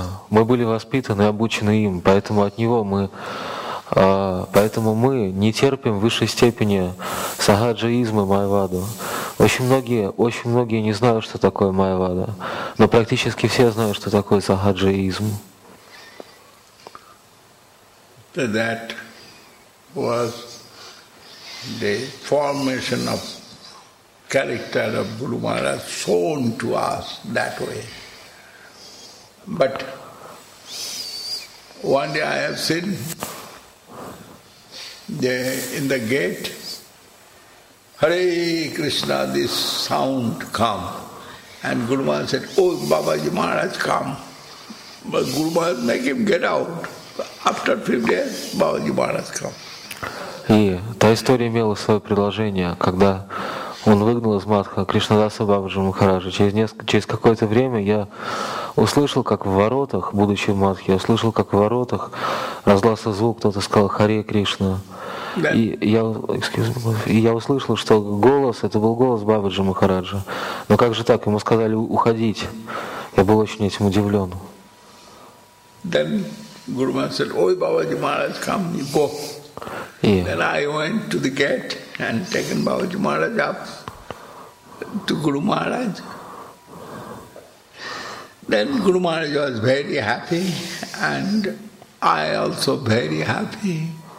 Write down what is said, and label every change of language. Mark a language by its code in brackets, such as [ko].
[ru] Мы были воспитаны и обучены им, поэтому от него мы, поэтому мы не терпим высшей степени сагаджаизма Майаваду. Очень многие не знают, что такое Майявада, но практически все знают, что такое сагаджаизм. [en] That was the formation of character of Guru Maharaj shown to us that way. But one day I have seen in the gate. Hare Krishna, this sound come. And Guru Maharaj said, oh, Babaji Maharaj, come. But Guru Maharaj make him get out. After 5 days, Babaji Maharaj come. [ru] И та история имела свое продолжение, когда Он выгнал из Мадха Кришнадаса Бабаджи Махараджа. Через какое-то время я услышал, как в воротах, будучи в Мадхе, я услышал, как в воротах раздался звук, кто-то сказал «Харе Кришна». И я услышал, что голос, это был голос Бабаджи Махараджа. Но как же так? Ему сказали уходить. Я был очень этим удивлен. [en] Then Guru Maharaj said, "Oi, Babaji Maharaj, come, you go." Yeah. Then I went to the gate and taken Babaji Maharaj up to Guru Maharaj. Then Guru Maharaj was very happy, and I also very happy.